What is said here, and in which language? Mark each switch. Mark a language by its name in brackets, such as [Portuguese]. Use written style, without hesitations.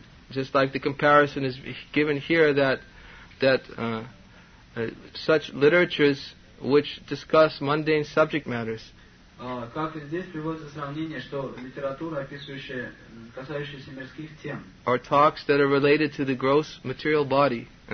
[English] Just like the comparison is given here that such literatures which discuss mundane subject matters. [Russian] Как здесь приводится сравнение, что литература, касающаяся мирских тем. [English] Or talks that are related to the gross material body.